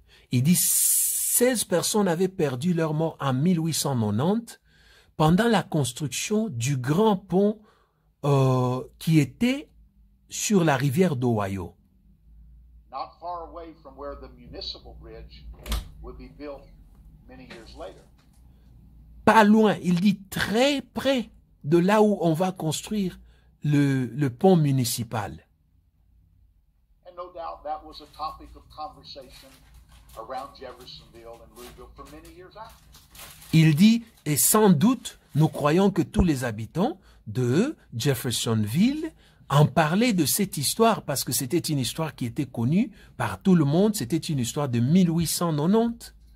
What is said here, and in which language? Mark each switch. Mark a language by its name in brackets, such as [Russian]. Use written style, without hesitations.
[French] Il dit 16 personnes avaient perdu leur mort en 1890 pendant la construction du grand pont qui était sur la rivière d'Ohio. [English] Not far away from where the municipal bridge would be built many years later. [French] Pas loin, il dit très près de là où on va construire le pont municipal. [English] And no doubt that was a topic of conversation around Jeffersonville and Louisville for many years after. [French] Il dit, et sans doute, nous croyons que tous les habitants de Jeffersonville en parler de cette histoire, parce que c'était une histoire qui était connue par tout le monde. C'était une histoire de 1890.